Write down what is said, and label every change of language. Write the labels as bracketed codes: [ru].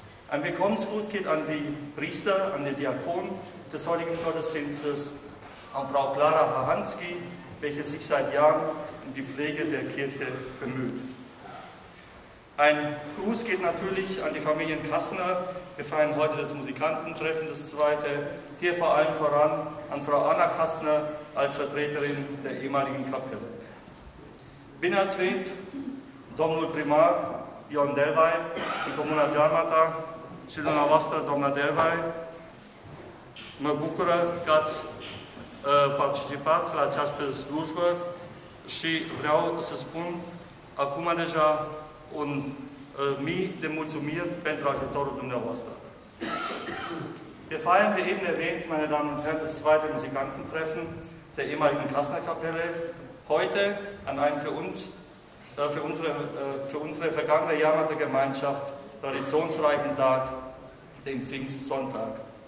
[de] Ein Willkommensgruß geht an die Priester, an den Diakon des heutigen Gottesdienstes, an Frau Klara Hahanski, welche sich seit Jahren um die Pflege der Kirche bemüht. Ein Gruß geht natürlich an die Familien Kassner. Wir feiern heute das Musikantentreffen, das zweite. Hier vor allem voran an Frau Anna Kassner als Vertreterin der ehemaligen Kapelle. [ro] Bine ați venit, domnul primar Ion Delvai, din Comuna Giarmata și dumneavoastră, doamna Delvai. Mă bucură că ați participat la această slujbă și vreau să spun acum deja un mii de mulțumiri pentru ajutorul dumneavoastră. [de] Wir feiern, wie eben erwähnt, meine Damen und Herren, das zweite Musikantentreffen der ehemaligen Kassner Kapelle. Heute an einem für unsere vergangene Jahrhunderte Gemeinschaft traditionsreichen Tag, dem Pfingstsonntag.